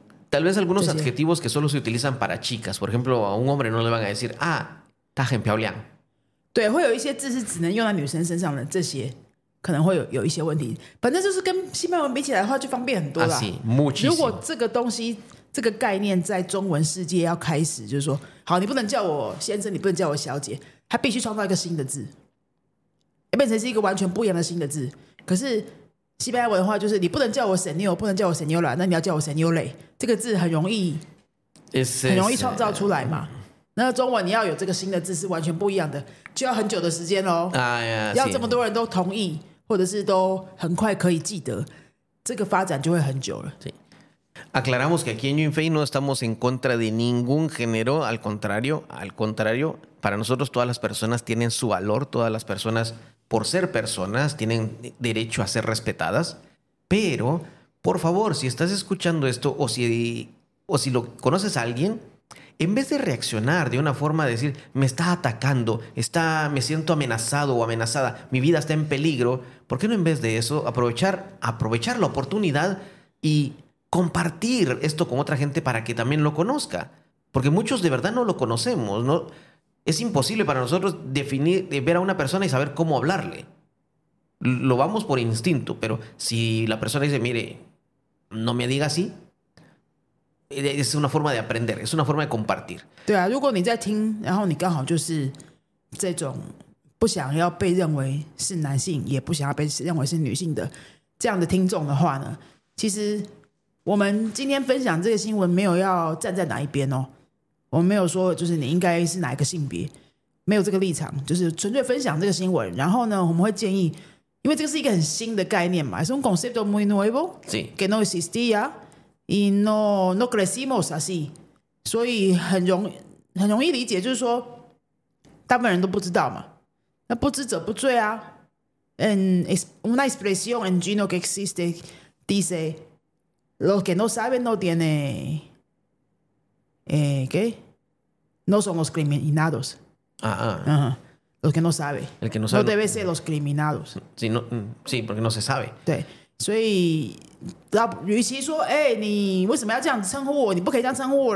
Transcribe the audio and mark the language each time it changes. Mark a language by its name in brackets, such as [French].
[Spanish] Tal vez algunos adjetivos que solo se utilizan para chicas. Por ejemplo, a un hombre no le van a decir, ah, está bien 漂亮。 [Chinese] 对，会有一些字是只能用在女生身上的，这些可能会 有一些问题。反正就是跟西班牙文比起来的话，就方便很多了。 [Spanish] Así, muchísimo。 [Chinese] 如果这个东西，这个概念在中文世界要开始，就是说，好，你不能叫我先生，你不能叫我小姐，他必须创造一个新的字，变成是一个完全不一样的新的字。可是西班牙文的话就是你不能叫我 señor， 不能叫我 señora， 那你要叫我 señore， 这个字很容易 很容易创造出来嘛。那中文你要有这个新的字是完全不一样的，就要很久的时间咯、要这么多人都同意或者是都很快可以记得，这个发展就会很久了。 [Spanish] sí. Aclaramos que aquí en Yunfei no estamos en contra de ningún género, al contrario, al contrario, para nosotros todas las personas tienen su valor, todas las personasPor ser personas, tienen derecho a ser respetadas. Pero, por favor, si estás escuchando esto o si lo conoces a alguien, en vez de reaccionar de una forma de decir, me está atacando, me siento amenazado o amenazada, mi vida está en peligro, ¿por qué no en vez de eso aprovechar la oportunidad y compartir esto con otra gente para que también lo conozca? Porque muchos de verdad no lo conocemos, ¿no? Es imposible para nosotros definir, ver a una persona y saber cómo hablarle. Lo vamos por instinto, pero si la persona dice, mire, no me diga así, es una forma de aprender, es una forma de compartir. [Chinese] 对啊，如果你在听，然后你刚好就是这种不想要被认为是男性，也不想要被认为是女性的这样的听众的话呢，其实我们今天分享这个新闻没有要站在哪一边哦。我们没有说就是你应该是哪一个性别，没有这个立场，就是纯粹分享这个新闻。然后呢，我们会建议，因为这个是一个很新的概念嘛， [Spanish] es un concepto muy nuevo、 [Chinese] sí. [Spanish] que no existía y no crecimos así， [Chinese] 所以很容易理解，就是说大部分人都不知道嘛，那不知者不罪啊。 [Spanish] Una expresión en chino que existe dice los que no saben no tienen。 ¿Qué? No somos criminados. Los que no sabe. El que no sabe. No debe ser los criminados. Sí, no, sí, porque no se sabe. [Chinese] 对，所以那与其说，哎，你为什么要这样子称呼我？你不可以这样称呼我。